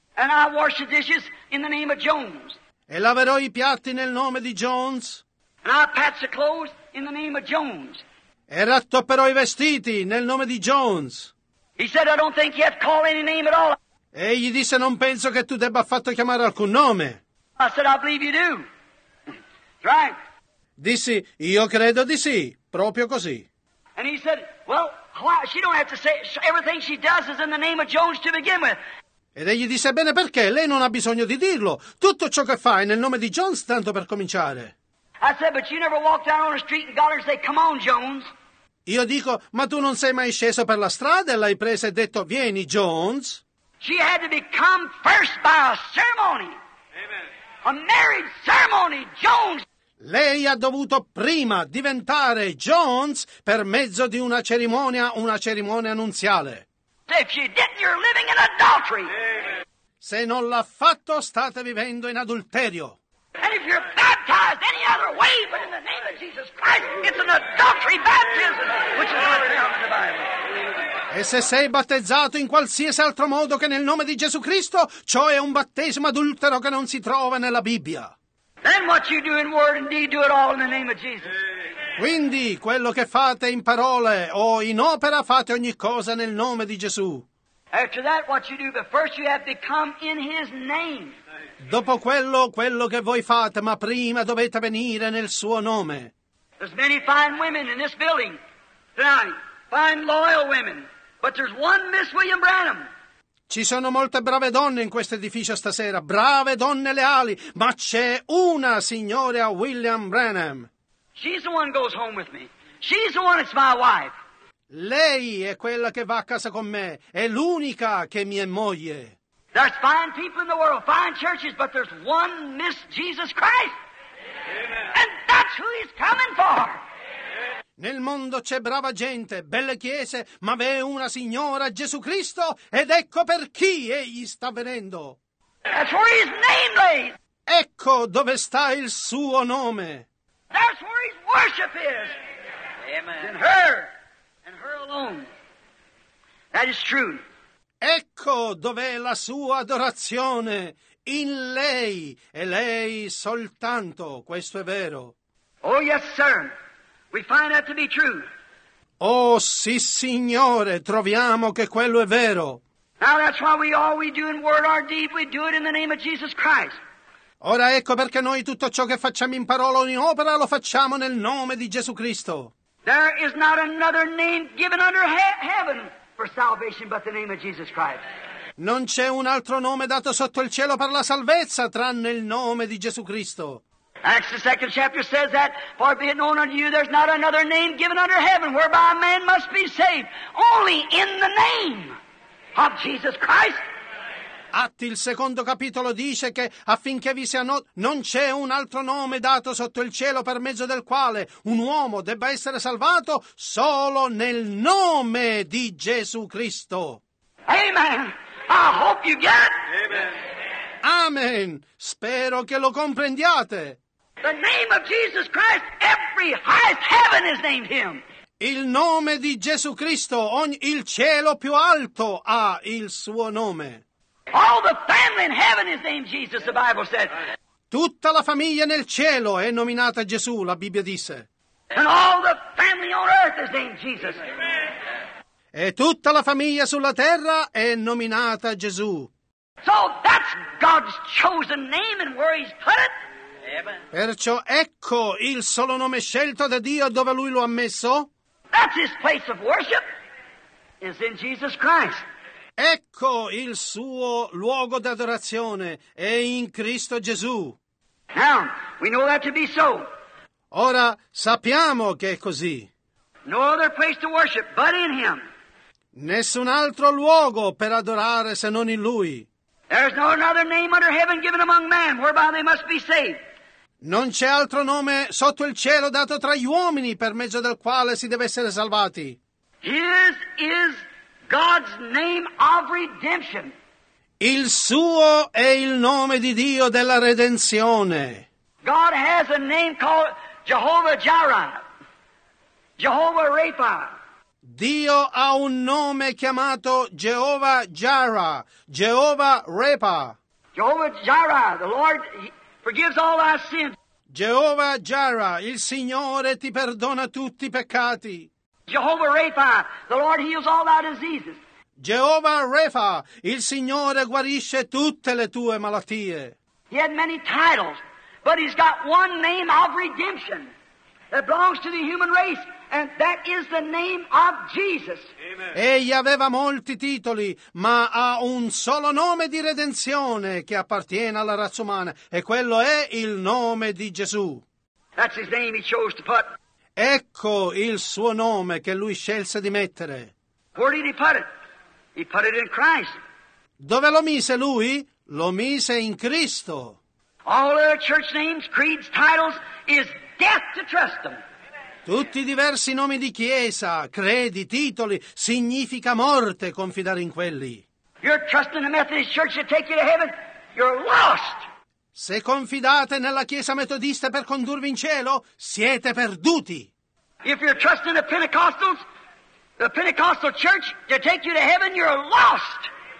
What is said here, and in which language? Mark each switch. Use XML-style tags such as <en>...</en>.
<en>And I wash the dishes in the name of Jones.</en> <it>E laverò i piatti nel nome di Jones.</it> <en>And I patch the clothes in the name of Jones.</en> <it>E rattopperò i vestiti nel nome di Jones.</it> <en>He said, I don't think you have to call any name at all.</en> <it>E gli disse: non penso che tu debba affatto chiamare alcun nome.</it> <en>I said, I believe you do. Right.</en> <it>Dissi: io credo di sì. Proprio così.</it> <en>And he said, well, she don't have to say everything she does is in the name of Jones to begin with.</en> <it>Ed egli disse: bene, perché lei non ha bisogno di dirlo. Tutto ciò che fa è nel nome di Jones, tanto per cominciare.</it> <en>I said, but you never walked down on the street and got her to say, come on, Jones.</en> <it>Io dico: ma tu non sei mai sceso per la strada e l'hai presa e detto: vieni, Jones.</it> <en>She had to become first by a ceremony. Amen. A married ceremony, Jones.</en> <it>Lei ha dovuto prima diventare Jones per mezzo di una cerimonia nuziale.</it> <en>If you didn't, you're living in adultery. Amen.</en> <it>Se non l'ha fatto, state vivendo in adulterio.</it> <en>And if you're baptized any other way but in the name of Jesus Christ, it's an adultery baptism, which is not found in the Bible.</en> <it>E se sei battezzato in qualsiasi altro modo che nel nome di Gesù Cristo, ciò è un battesimo adultero che non si trova nella Bibbia.</it> <en>Then what you do in word and deed, do it all in the name of Jesus.</en> <it>Quindi, quello che fate in parole o in opera, fate ogni cosa nel nome di Gesù.</it> <en>After that, what you do, but first you have to come in His name.</en> <it>Dopo quello che voi fate, ma prima dovete venire nel Suo nome.</it> <en>There's many fine women in this building tonight, fine loyal women, but there's one Miss William Branham.</en> <it>Ci sono molte brave donne in questo edificio stasera, brave donne leali, ma c'è una signora, William Branham.</it> <en>She's the one goes home with me. She's the one that's my wife.</en> <it>Lei è quella che va a casa con me, è l'unica che mi è moglie.</it> <en>There's fine people in the world, fine churches, but there's one Miss Jesus Christ. Amen. And that's who he's coming for.</en> <it>Nel mondo c'è brava gente, belle chiese, ma v'è una signora, Gesù Cristo, ed ecco per chi egli sta venendo.</it> <en>That's where his name lays.</en> <it>Ecco dove sta il suo nome.</it> <en>That's where his worship is. Amen. And her alone. That is true.</en> <it>Ecco dov'è la sua adorazione, in lei, e lei soltanto, questo è vero.</it> <en>Oh, yes, sir. We find that to be true.</en> <it>Oh, sì, Signore, troviamo che quello è vero.</it> <en>Now that's why all we do in word or deed, we do it in the name of Jesus Christ.</en> <it>Ora ecco perché noi tutto ciò che facciamo in parola o in opera lo facciamo nel nome di Gesù Cristo.</it> <en>There is not another name given under heaven for salvation but the name of Jesus Christ.</en> <it>Non c'è un altro nome dato sotto il cielo per la salvezza tranne il nome di Gesù Cristo.</it> <en>Acts the second chapter says that, far be it known unto you, there's not another name given under heaven whereby a man must be saved, only in the name of Jesus Christ.</en> <it>Atti il secondo capitolo dice che affinché vi sia noto, non c'è un altro nome dato sotto il cielo per mezzo del quale un uomo debba essere salvato, solo nel nome di Gesù Cristo.</it> <en>Amen. I hope you get. Amen. Amen.</en> <it>Spero che lo comprendiate.</it> <en>The name of Jesus Christ, every highest heaven is named him.</en> <it>Il nome di Gesù Cristo, il cielo più alto ha il suo nome.</it> <en>All the family in heaven is named Jesus, the Bible said.</en> <it>Tutta la famiglia nel cielo è nominata Gesù, la Bibbia disse.</it> <en>And all the family on earth is named Jesus.</en> <it>E tutta la famiglia sulla terra è nominata Gesù.</it> <en>So that's God's chosen name and where he's put it.</en> <it>Perciò ecco il solo nome scelto da Dio dove lui lo ha messo.</it> <en>That's his place of worship, is in Jesus Christ.</en> <it>Ecco il suo luogo d'adorazione è in Cristo Gesù.</it> <en>Now, we know that to be so.</en> <it>Ora sappiamo che è così.</it> <en>No other place to worship but in him.</en> <it>Nessun altro luogo per adorare se non in lui.</it> <en>There's no other name under heaven given among men whereby they must be saved.</en> <it>Non c'è altro nome sotto il cielo dato tra gli uomini per mezzo del quale si deve essere salvati.</it> <en>His is God's name of redemption.</en> <it>Il suo è il nome di Dio della redenzione.</it> <en>God has a name called Jehovah Jireh, Jehovah Rapha.</en> <it>Dio ha un nome chiamato Jehovah Jireh, Jehovah Rapha.</it> <en>Jehovah Jireh, the Lord forgives all our sins.</en> <it>Jehovah Jireh, il Signore ti perdona tutti i peccati.</it> <en>Jehovah Rapha, the Lord heals all our diseases.</en> <it>Jehovah Rapha, il Signore guarisce tutte le tue malattie.</it> <en>He had many titles, but he's got one name of redemption that belongs to the human race. And that is the name of Jesus. Amen.</en> <it>Egli aveva molti titoli, ma ha un solo nome di redenzione che appartiene alla razza umana, e quello è il nome di Gesù.</it> <en>That's his name he chose to put.</en> <it>Ecco il suo nome che lui scelse di mettere.</it> <en>Where did he put it? He put it in Christ.</en> <it>Dove lo mise lui? Lo mise in Cristo.</it> <en>All other church names, creeds, titles is death to trust them.</en> <it>Tutti i diversi nomi di chiesa, credi, titoli, significa morte confidare in quelli.</it> <en>You're trusting the Methodist Church to take you to heaven, you're lost.</en> <it>Se confidate nella chiesa metodista per condurvi in cielo, siete perduti.</it> <en>If you're trusting the Pentecostals, the Pentecostal Church to take you to heaven, you're lost.</en>